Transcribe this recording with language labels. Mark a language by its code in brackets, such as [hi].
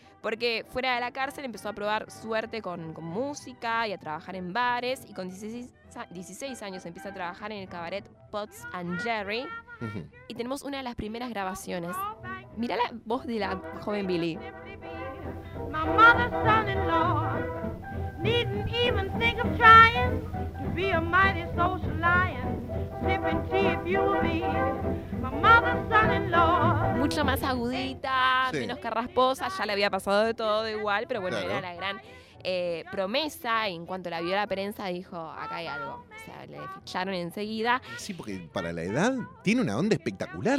[es] Porque fuera de la cárcel empezó a probar suerte con música y a trabajar en bares. Y con 16 años empieza a trabajar en el cabaret Potts & Jerry. Y tenemos una de las primeras grabaciones. Mirá la voz de la joven Billie. [en] My mother's son-in-law needn't even think of trying to be a mighty social lion. Sipping tea if you need. My mother's son-in-law. [es] Mucho más agudita, sí, menos carrasposa. Ya le había pasado de todo igual, pero bueno, claro, era la gran promesa, y en cuanto la vio la prensa dijo, acá hay algo. O sea, le ficharon enseguida. Sí, porque para la edad tiene una onda espectacular,